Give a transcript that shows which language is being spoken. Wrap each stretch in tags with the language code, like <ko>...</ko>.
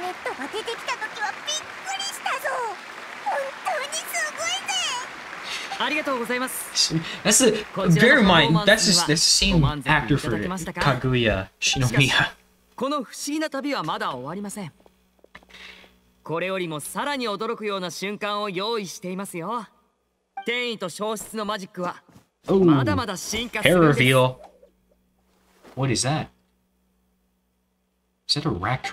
<ja>リネットが出てきたときはびっくりしたぞ。本当にすごいぜ。ありがとうございます。</ja> <en>That's a bear in mind. That's just the same actor for Kaguya Shinomiya.</en> <ja>この不思議な旅はまだ終わりません。これよりもさらに驚くような瞬間を用意していますよ。転移と消失のマジックはまだまだ進化するです。</ja> <en>Hair reveal. What is that? Is that a raccoon?</en>